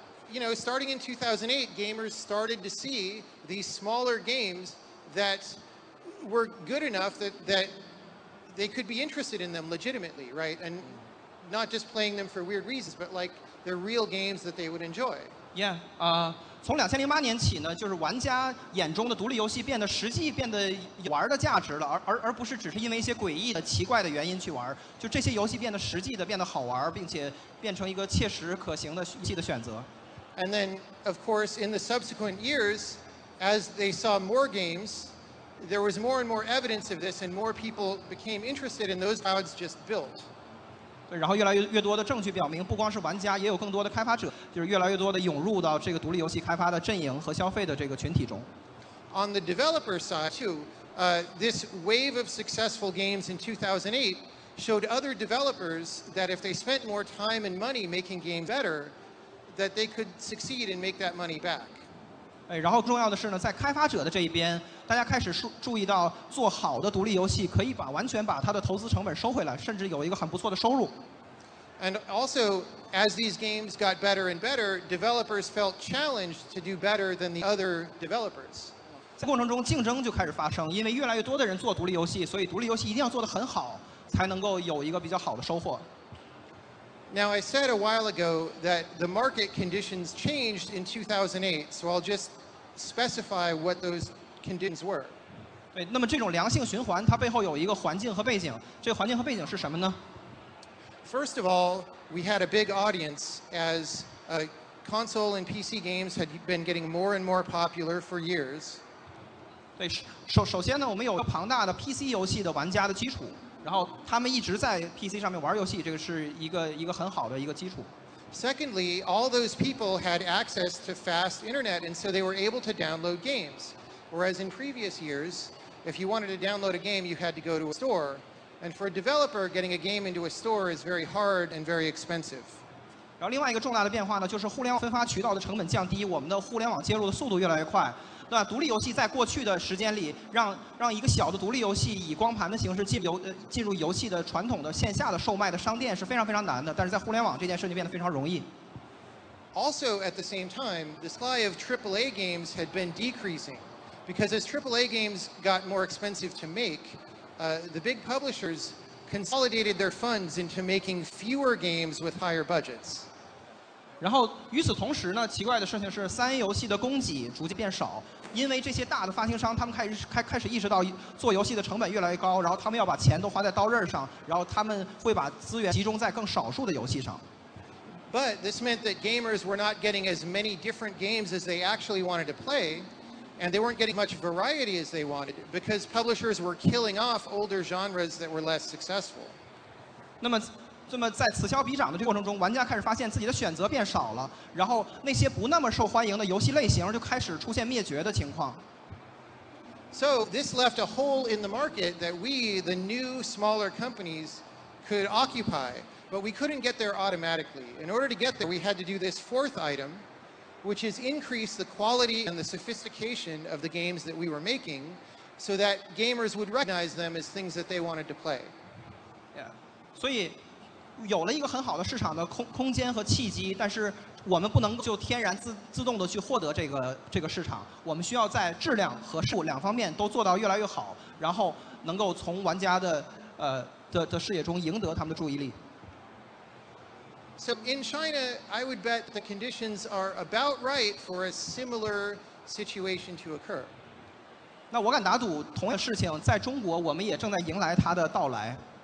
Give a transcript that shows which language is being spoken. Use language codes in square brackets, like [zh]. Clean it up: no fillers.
[en] you know, starting in 2008, gamers started to see these smaller games that were good enough that they could be interested in them legitimately, right? And not just playing them for weird reasons, but like they're real games that they would enjoy. [zh] Yeah, 从2008年起呢，就是玩家眼中的独立游戏变得实际，变得有玩的价值了，而不是只是因为一些诡异的、奇怪的原因去玩，就这些游戏变得实际的，变得好玩，并且变成一个切实可行的游戏的选择。 [en] And then, of course, in the subsequent years, as they saw more games, there was more and more evidence of this, and more people became interested, and those crowds just built. [zh] 然后越来 越多的证据表明，不光是玩家，也有更多的开发者，就是越来越多的涌入到这个独立游戏开发的阵营和消费的这个群体中。 [en] On the developer side too, this wave of successful games in 2008 showed other developers that if they spent more time and money making games better, that they could succeed and make that money back. [zh] 然后重要的是呢，在开发者的这一边，大家开始注意到做好的独立游戏可以完全把它的投资成本收回来，甚至有一个很不错的收入。 [en] And also, as these games got better and better, developers felt challenged to do better than the other developers. [zh] 在过程中竞争就开始发生，因为越来越多的人做独立游戏，所以独立游戏一定要做得很好，才能够有一个比较好的收获。 [en] Now, I said a while ago that the market conditions changed in 2008, so I'll just specify what those conditions were. [zh] 对，那么这种良性循环，它背后有一个环境和背景，这环境和背景是什么呢？ [en] First of all, we had a big audience as console and PC games had been getting more and more popular for years. [zh] 对，首先呢，我们有庞大的 PC 游戏的玩家的基础，然后他们一直在 PC 上面玩游戏，这个是一个很好的一个基础。 [en] Secondly, all those people had access to fast internet, and so they were able to download games. Whereas in previous years, if you wanted to download a game, you had to go to a store. And for a developer, getting a game into a store is very hard and very expensive. [zh] 然后另外一个重大的变化呢，就是互联网分发渠道的成本降低，我们的互联网接入的速度越来越快。那独立游戏在过去的时间里，让一个小的独立游戏以光盘的形式进入游戏的传统的线下的售卖的商店是非常非常难的，但是在互联网这件事情变得非常容易。 [en] Also, at the same time, the supply of AAA games had been decreasing, because as AAA games got more expensive to make,the big publishers consolidated their funds into making fewer games with higher budgets. [zh] 然后与此同时呢，奇怪的事情是，三 A 游戏的供给逐渐变少，因为这些大的发行商，他们开始意识到做游戏的成本越来越高，然后他们要把钱都花在刀刃上，然后他们会把资源集中在更少数的游戏上。 [en] But this meant that gamers were not getting as many different games as they actually wanted to play. And they weren't getting much variety as they wanted because publishers were killing off older genres that were less successful. [zh] 那么在此消彼长的过程中，玩家开始发现自己的选择变少了，然后那些不那么受欢迎的游戏类型就开始出现灭绝的情况。 [en] So this left a hole in the market that we, the new smaller companies, could occupy, but we couldn't get there automatically. In order to get there, we had to do this fourth item. Which is increase the quality and the sophistication of the games that we were making, so that gamers would recognize them as things that they wanted to play. Yeah. [zh] 所以有了一个很好的市场的空间和契机，但是我们不能就天然自动的去获得这个市场。我们需要在质量和数两方面都做到越来越好，然后能够从玩家的视野中赢得他们的注意力。 [en] So in China, I would bet the conditions are about right for a similar situation to occur. [zh] 那我敢打赌，同样的事情在中国，我们也正在迎来它的到来。